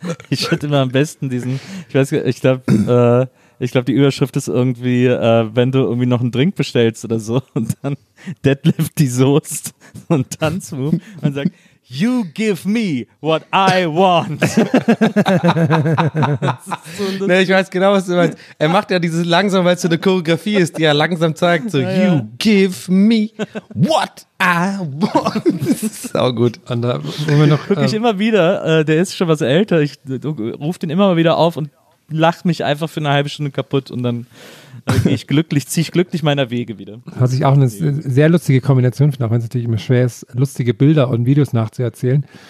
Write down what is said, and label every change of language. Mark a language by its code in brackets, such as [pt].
[de] Ich hätte immer am besten diesen, ich weiß, ich glaube, Ich glaube, die Überschrift ist irgendwie, wenn du irgendwie noch einen Drink bestellst oder so und dann deadlift die Soest und Tanzmove und sagt, [en] you give me what I want. [de] So, nee, ich weiß genau, was du meinst. Er macht ja dieses langsam, weil es so eine Choreografie ist, die er langsam zeigt. [en] So, ja, you give me what I want. [de] Sau gut. Und da wollen wir noch, wirklich immer wieder, der ist schon was älter, ich rufe den immer mal wieder auf und lach mich einfach für eine halbe Stunde kaputt und dann ziehe ich glücklich meiner Wege wieder. Was ich auch eine sehr lustige Kombination finde, auch wenn es natürlich immer schwer ist, lustige Bilder und Videos nachzuerzählen.